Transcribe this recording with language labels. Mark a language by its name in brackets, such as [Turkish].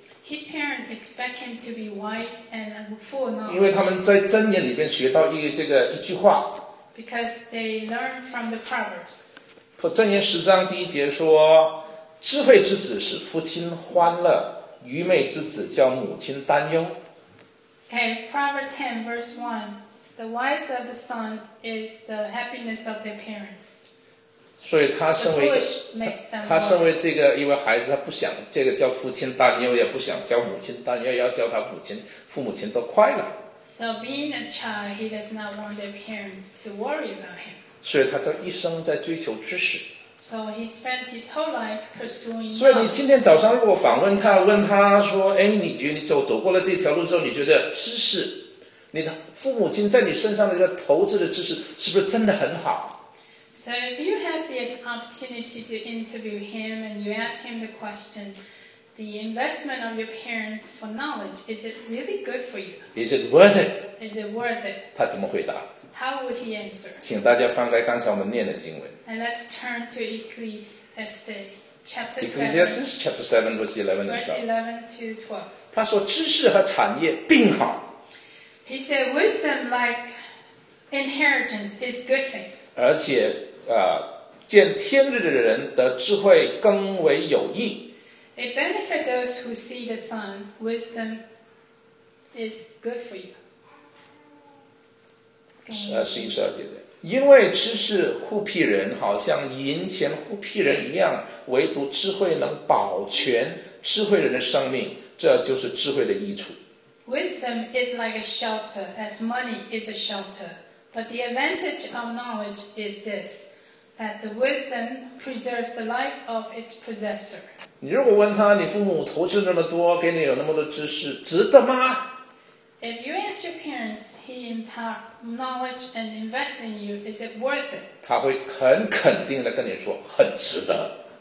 [English] His parents expect him to be wise and full knowledge. [Chinese] 因为他们在箴言里面学到一句话。 [English] Because they learn from the Proverbs. [Chinese] 箴言十章第一节说智慧之子使父亲欢乐，愚昧之子叫母亲担忧。 [English] Okay, Proverbs 10 verse 1, the wise of the son is the happiness of their parents. [Chinese] 所以他身为他身为这个一位孩子，他不想这个叫父亲担忧，也不想叫母亲担忧，要叫他母亲、父母亲都快乐。 [English] So being a child, he does not want their parents to worry about him. [Chinese] 所以他这一生在追求知识。 [English] So he spent his whole life pursuing. [Chinese] 所以你今天早上如果访问他，问他说：“哎，你觉得你走过了这条路之后，你觉得知识，你的父母亲在你身上的这投资的知识，是不是真的很好？” [English] So if you have the opportunity to interview him and you ask him the question, the investment of your parents for knowledge, is it really good for you? Is it worth it? Is it worth it? [Chinese] 他怎么回答？ [English] How would he answer? [Chinese] 请大家翻开刚才我们念的经文。 [English] And let's turn to Ecclesiastes chapter 7. Ecclesiastes chapter 7 verse 11 to 12. [Chinese] 他说知识和产业并好。 [English] He said wisdom like inheritance is good thing. [Chinese] 而且见天日的人得智慧更为有益。 [English] It benefit those who see the sun, wisdom is good for you. [Chinese] 12节，因为知识护庇人，好像银钱护庇人一样，唯独智慧能保全智慧人的生命，这就是智慧的益处。 [English] Wisdom is like a shelter, as money is a shelter. But the advantage of knowledge is this, that the wisdom preserves the life of its possessor. [Chinese] 你如果问他，你父母投资那么多，给你有那么多知识，值得吗？ [English] If you ask your parents, he impart knowledge and invest in you, is it worth it? [Chinese] 他会很肯定地跟你说，很值得。